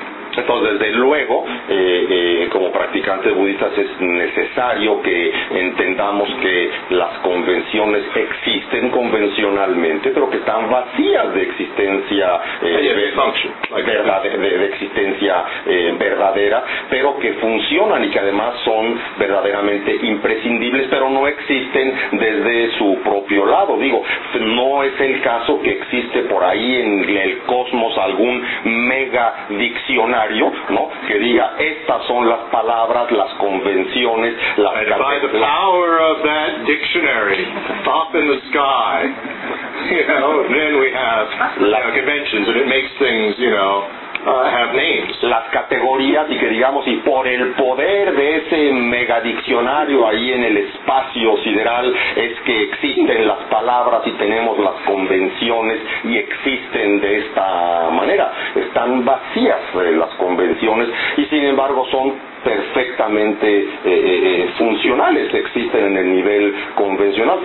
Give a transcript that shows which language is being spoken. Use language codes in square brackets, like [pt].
[es] Entonces, desde luego, como practicantes budistas es necesario que entendamos que las convenciones existen convencionalmente, pero que están vacías de existencia verdadera, pero que funcionan y que además son verdaderamente imprescindibles, pero no existen desde su propio lado. Digo, no es el caso que existe por ahí en el cosmos algún mega diccionario, ¿no? Que diga, estas son las palabras, las convenciones, las [en] and by the power of that dictionary up in the sky, then we have conventions and it makes things, have names. [es] Las categorías y que digamos, y por el poder de ese megadiccionario ahí en el espacio sideral es que existen las palabras y tenemos las convenciones y existen de esta manera. Están vacías las convenciones y sin embargo son perfectamente funcionales, existen en el nivel convencional.